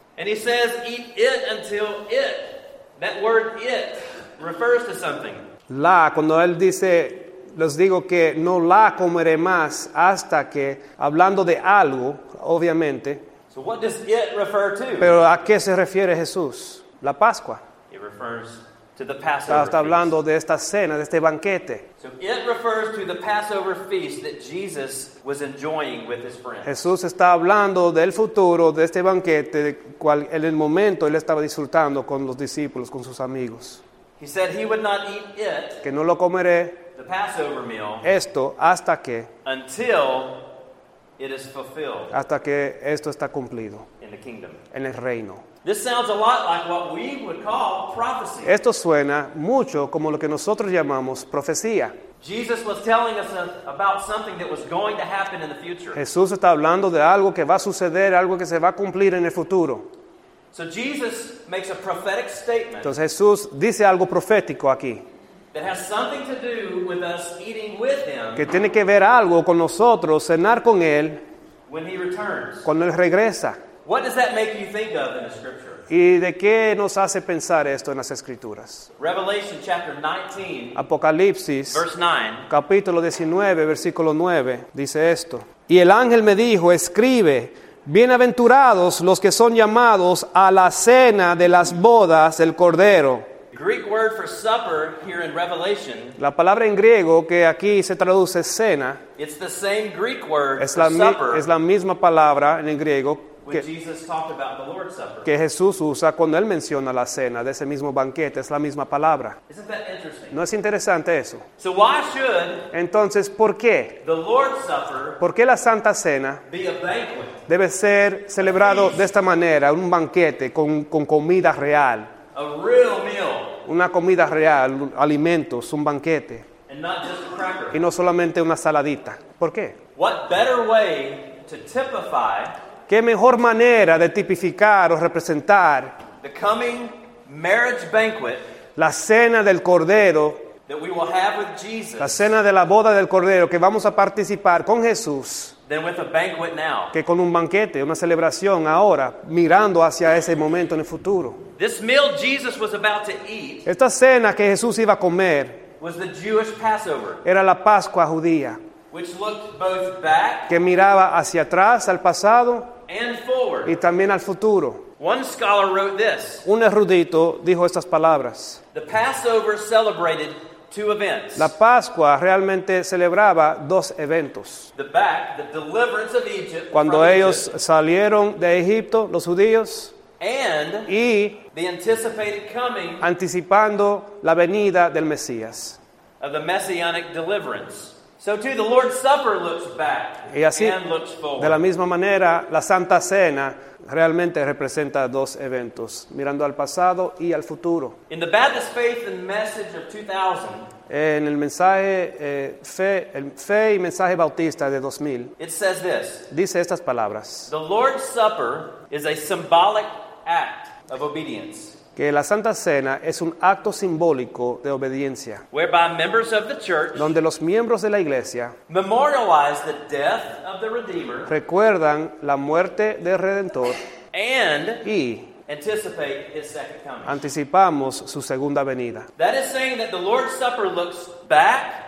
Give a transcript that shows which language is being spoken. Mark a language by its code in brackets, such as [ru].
[en] And he says, eat it until it. That word it refers to something. [es] La, cuando él dice, les digo que no la comeré más hasta que, hablando de algo, obviamente. [en] So what does it refer to? [es] Pero ¿a qué se refiere Jesús? La Pascua. [en] It refers to the Passover. [es] Está hablando de esta cena, de este banquete. [en] So it refers to the Passover feast that Jesus was enjoying with his friends. [es] Jesús está hablando del futuro, de este banquete, de cual en el momento él estaba disfrutando con los discípulos, con sus amigos. [en] He said he would not eat it, [es] que no lo comeré, [en] the Passover meal, [es] esto hasta que, [en] until it is fulfilled, [es] hasta que esto está cumplido, [en] in the kingdom, [es] en el reino. [en] This sounds a lot like what we would call prophecy. [es] Esto suena mucho como lo que nosotros llamamos profecía. [en] Jesus was telling us about something that was going to happen in the future. [es] Jesús está hablando de algo que va a suceder, algo que se va a cumplir en el futuro. [en] So Jesus makes a prophetic statement. [es] Entonces Jesús dice algo profético aquí. [en] That has something to do with us eating with him. [es] Que tiene que ver algo con nosotros, cenar con él. [en] When he returns. [es] Cuando él regresa. [en] What does that make you think of in the scripture? [es] ¿Y de qué nos hace pensar esto en las escrituras? [en] Revelation chapter 19. [es] Apocalipsis. [en] Verse 9. [es] Capítulo 19, versículo 9. Dice esto. Y el ángel me dijo, escribe. Bienaventurados los que son llamados a la cena de las bodas del Cordero. [en] Greek word for supper here in Revelation. [es] La palabra en griego que aquí se traduce cena. [en] It's the same Greek word for supper. [es] Es la misma palabra en el griego [en] que, when Jesus talked about the Lord's Supper. [es] Que Jesús usa cuando él menciona la cena de ese mismo banquete. Es la misma palabra. [en] Isn't that interesting? [es] ¿No es interesante eso? [en] So why should, [es] entonces, ¿por qué? [en] The Lord's Supper, [es] ¿por qué la Santa Cena [en] be a banquet, [es] debe ser celebrado de esta manera, un banquete con comida real? [en] A real meal. [es] Una comida real, alimentos, un banquete. [en] And not just a cracker. [es] Y no solamente una saladita. ¿Por qué? [en] What better way to typify, [es] ¿qué mejor manera de tipificar o representar [en] the coming marriage banquet, [es] la cena del Cordero, [en] that we will have with Jesus, [es] la cena de la boda del Cordero que vamos a participar con Jesús, [en] than with a banquet now, [es] que con un banquete, una celebración ahora, mirando hacia ese momento en el futuro? [en] This meal Jesus was about to eat, [es] esta cena que Jesús iba a comer, [en] was the Jewish Passover, [es] era la Pascua judía, [en] which looked both back, [es] que miraba hacia atrás, al pasado, [en] and forward, [es] y también al futuro. [en] One scholar wrote this, [es] un erudito dijo estas palabras: [en] the Passover celebrated two events. [es] La Pascua realmente celebraba dos eventos. [en] The back, the deliverance of Egypt, [es] cuando ellos salieron de Egipto, los judíos, [en] and [es] y [en] the anticipated coming, [es] anticipando la venida del Mesías, [en] of the messianic deliverance. So too, the Lord's Supper looks back, [es] y así, [en] and looks forward. [es] De la misma manera, la Santa Cena realmente representa dos eventos, mirando al pasado y al futuro. [en] In the Baptist Faith and Message of 2000, [es] en el mensaje fe y mensaje bautista de 2000, [en] it says this, [es] dice estas palabras: [en] the Lord's Supper is a symbolic act of obedience. [es] Que la Santa Cena es un acto simbólico de obediencia, [en] whereby members of the church, [es] donde los miembros de la iglesia, [en] memorialize the death of the Redeemer, [es] recuerdan la muerte del Redentor, [en] and [es] y [en] anticipate his second coming. [es] Anticipamos su segunda venida. [en] That is saying that the Lord's Supper looks back,